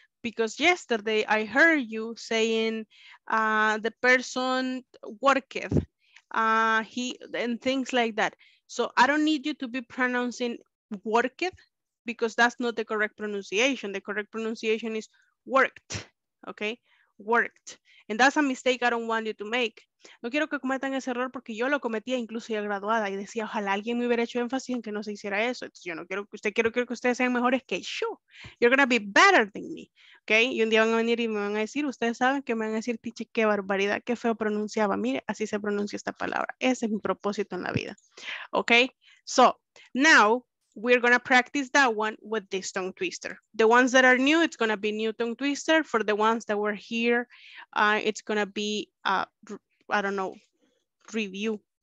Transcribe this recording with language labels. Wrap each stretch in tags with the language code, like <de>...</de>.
<en>Because yesterday I heard you saying the person worked, he, and things like that. So I don't need you to be pronouncing worked, because that's not the correct pronunciation. The correct pronunciation is worked. Okay, worked. And that's a mistake I don't want you to make.</en> <es>No quiero que cometan ese error porque yo lo cometía incluso ya graduada y decía, ojalá alguien me hubiera hecho énfasis en que no se hiciera eso. Entonces, yo no quiero que usted, quiero que ustedes sean mejores que yo.</es> <en>You're gonna be better than me.</en> <es>Okay, y un día van a venir y me van a decir, ustedes saben que me van a decir, tiche, qué barbaridad, qué feo pronunciaba. Mire, así se pronuncia esta palabra. Ese es mi propósito en la vida.</es> <en>Okay, so now we're going to practice that one with this tongue twister. The ones that are new, it's going to be new tongue twister. For the ones that were here, it's going to be, I don't know, review.</en>